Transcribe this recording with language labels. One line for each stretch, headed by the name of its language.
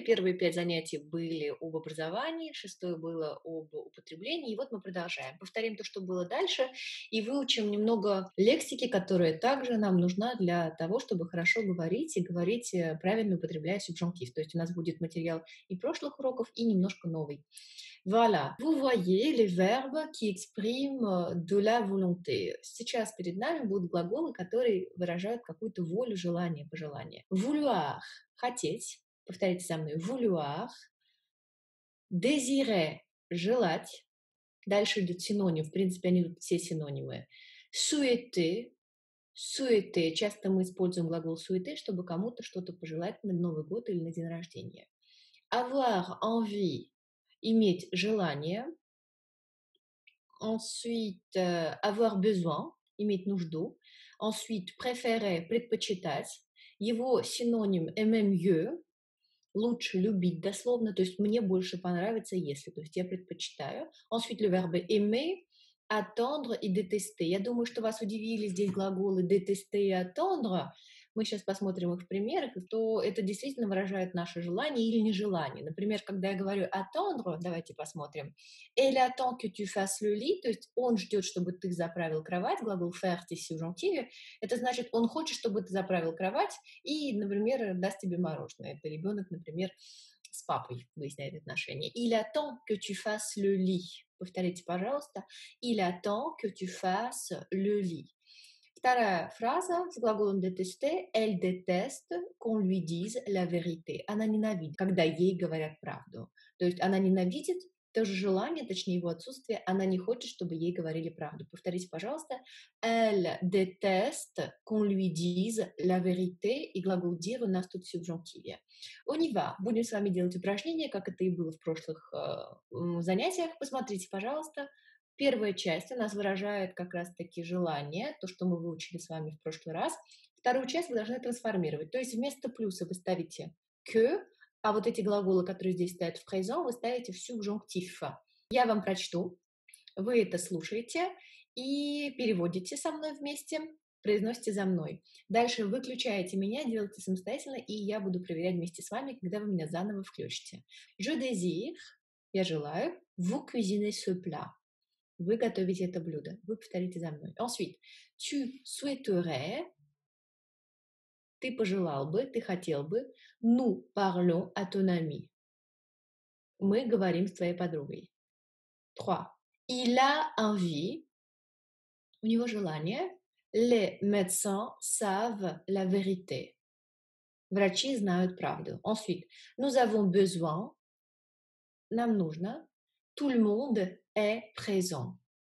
Russian: Первые 5 занятий были об образовании, 6-е было об употреблении. И вот мы продолжаем. Повторим то, что было дальше, и выучим немного лексики, которая также нам нужна для того, чтобы хорошо говорить и говорить правильно, употребляя субжонктив. То есть у нас будет материал и прошлых уроков, и немножко новый.
French: Voilà, vous voyez les verbes qui expriment de la volonté.
Russian: Сейчас перед нами будут глаголы, которые выражают какую-то волю, желание, пожелание.
French: Vouloir – хотеть.
Russian: Повторите со мной. Vouloir. Désirer – желать. Дальше идут синонимы. В принципе, они тут все синонимы.
French: Souhaiter. Souhaiter.
Russian: Часто мы используем глагол souhaiter, чтобы кому-то что-то пожелать на Новый год или на день рождения.
French: Avoir envie.
Russian: Иметь желание.
French: Ensuite, avoir besoin,
Russian: иметь нужду.
French: Ensuite, préférer, предпочитать.
Russian: Его синоним
French: aimer mieux,
Russian: лучше, любить дословно, то есть мне больше понравится, если, то есть я предпочитаю.
French: Ensuite, le verbe aimer, attendre и détester.
Russian: Я думаю, что вас удивили здесь глаголы détester и attendre. Мы сейчас посмотрим их в примерах, то это действительно выражает наше желание или нежелание. Например, когда я говорю attendre, давайте посмотрим.
French: Elle attend que tu fasses le lit,
Russian: то есть он ждет, чтобы ты заправил кровать, глагол faire здесь в субжонктиве. Это значит, он хочет, чтобы ты заправил кровать и, например, даст тебе мороженое. Это ребенок, например, с папой выясняет отношения.
French: Elle attend que tu fasses le lit.
Russian: Повторите, пожалуйста.
French: Elle attend que tu fasses le lit.
Russian: Вторая фраза с глаголом détester.
French: Elle déteste qu'on lui dise la vérité.
Russian: Она ненавидит, когда ей говорят правду. То есть она ненавидит то же желание, точнее его отсутствие. Она не хочет, чтобы ей говорили правду. Повторите, пожалуйста.
French: Elle déteste qu'on lui dise la vérité.
Russian: И глагол dire у нас тут в субжонктиве.
French: On y va.
Russian: Будем с вами делать упражнения, как это и было в прошлых занятиях. Посмотрите, пожалуйста. Первая часть у нас выражает как раз-таки желание, то, что мы выучили с вами в прошлый раз. Вторую часть вы должны трансформировать. То есть вместо плюса вы ставите «que», а вот эти глаголы, которые здесь стоят в «présent», вы ставите в «subjonctif». Я вам прочту, вы это слушаете и переводите со мной вместе, произносите за мной. Дальше выключаете меня, делаете самостоятельно, и я буду проверять вместе с вами, когда вы меня заново включите.
French: «Je désire»,
Russian: я желаю,
French: «vous cuisinez ce plat».
Russian: Вы готовите это блюдо. Вы повторите за мной.
French: Ensuite, tu souhaiterais,
Russian: ты пожелал бы, ты хотел бы,
French: nous parlons à ton ami.
Russian: Мы говорим с твоей подругой.
French: Trois. Il a envie,
Russian: у него желание,
French: les médecins savent la vérité.
Russian: Врачи знают правду.
French: Ensuite, nous avons besoin,
Russian: нам нужно,
French: tout le monde est présent.